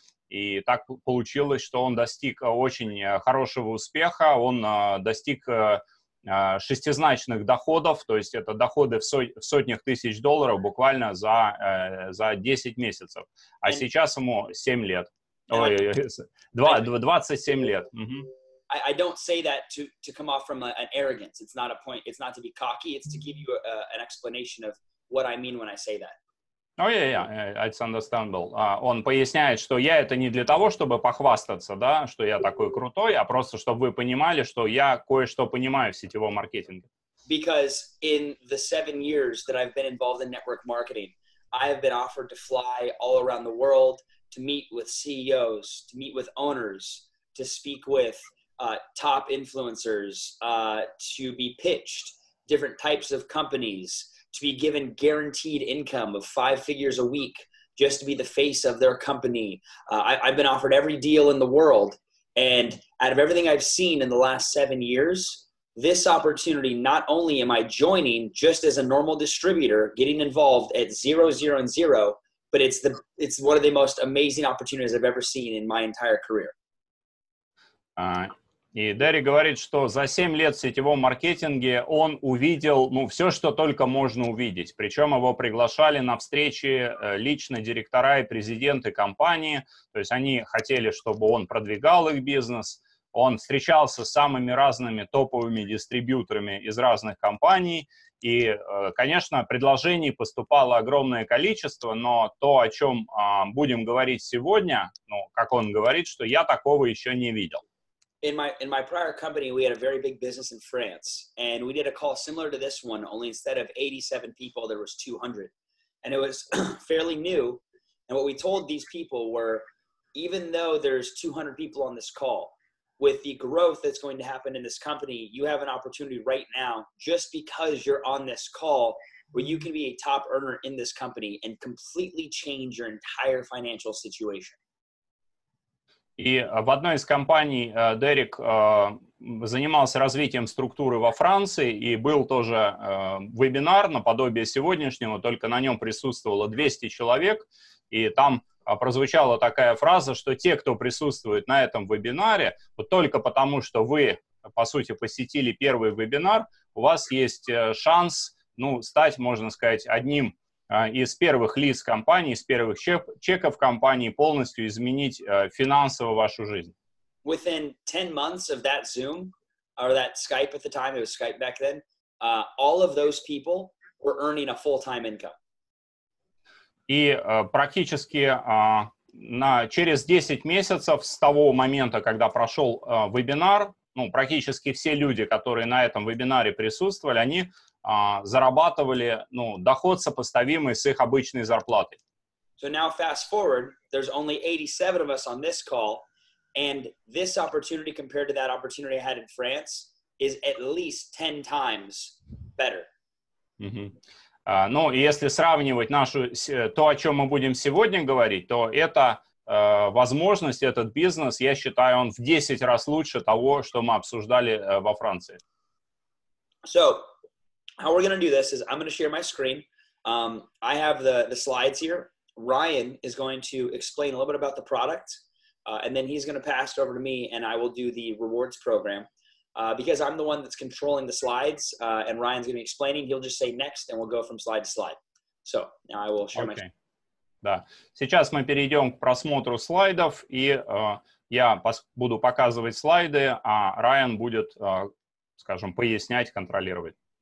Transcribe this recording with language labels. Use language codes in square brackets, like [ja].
[ru] И так получилось, что он достиг очень хорошего успеха. Он достиг шестизначных доходов, то есть это доходы в сотнях тысяч долларов буквально за 10 месяцев. А сейчас ему 7 лет. Ой, 27 лет. [en] I don't say that to come off from an arrogance. It's not a point. It's not to be cocky. It's to give you an explanation of what I mean when I say that. Oh, yeah, it's understandable. [ru] Он поясняет, что я это не для того, чтобы похвастаться, да, что я такой крутой, а просто чтобы вы понимали, что я кое-что понимаю в сетевом маркетинге. [en] Because in the 7 years that I've been involved in network marketing, I have been offered to fly all around the world to meet with CEOs, to meet with owners, to speak with top influencers, to be pitched different types of companies, to be given guaranteed income of 5 figures a week just to be the face of their company. I've been offered every deal in the world. And out of everything I've seen in the last 7 years, this opportunity, not only am I joining just as a normal distributor, getting involved at 0, 0, and 0, but it's one of the most amazing opportunities I've ever seen in my entire career. [ru] И Дерри говорит, что за 7 лет в сетевом маркетинге он увидел, ну, все, что только можно увидеть. Причем его приглашали на встречи лично директора и президенты компании. То есть они хотели, чтобы он продвигал их бизнес. Он встречался с самыми разными топовыми дистрибьюторами из разных компаний. И, конечно, предложений поступало огромное количество, но то, о чем будем говорить сегодня, ну, как он говорит, что я такого еще не видел. [en] In my prior company, we had a very big business in France, and we did a call similar to this one, only instead of 87 people, there was 200. And it was fairly new, and what we told these people were, even though there's 200 people on this call, with the growth that's going to happen in this company, you have an opportunity right now, just because you're on this call, where you can be a top earner in this company and completely change your entire financial situation. [ru] И в одной из компаний Дерек занимался развитием структуры во Франции, и был тоже вебинар наподобие сегодняшнего, только на нем присутствовало 200 человек, и там прозвучала такая фраза, что те, кто присутствует на этом вебинаре, вот только потому, что вы, по сути, посетили первый вебинар, у вас есть шанс, ну, стать, можно сказать, одним из первых лиц компании, из первых чеков компании полностью изменить финансово вашу жизнь. [en] Within 10 months of that Zoom, or that Skype at the time, it was Skype back then, all of those people were earning a full-time income. [ru] И практически через 10 месяцев с того момента, когда прошел вебинар, ну, практически все люди, которые на этом вебинаре присутствовали, они зарабатывали, ну, доход сопоставимый с их обычной зарплатой. [en] So now fast forward, there's only 87 of us on this call, and this opportunity compared to that opportunity I had in France is at least 10 times better. Mm-hmm. [ru] Ну, если сравнивать нашу, то, о чем мы будем сегодня говорить, то это возможность, этот бизнес, я считаю, он в 10 раз лучше того, что мы обсуждали во Франции. [en] So, how we're going to do this is I'm going to share my screen. I have the slides here. Ryan is going to explain a little bit about the product, and then he's going to pass it over to me, and I will do the rewards program. Because I'm the one that's controlling the slides, and Ryan's going to be explaining, he'll just say next, and we'll go from slide to slide. So, now I will share my screen. [ru] Да. Сейчас мы перейдем к просмотру слайдов, и я буду показывать слайды, а Райан будет, скажем, пояснять, контролировать.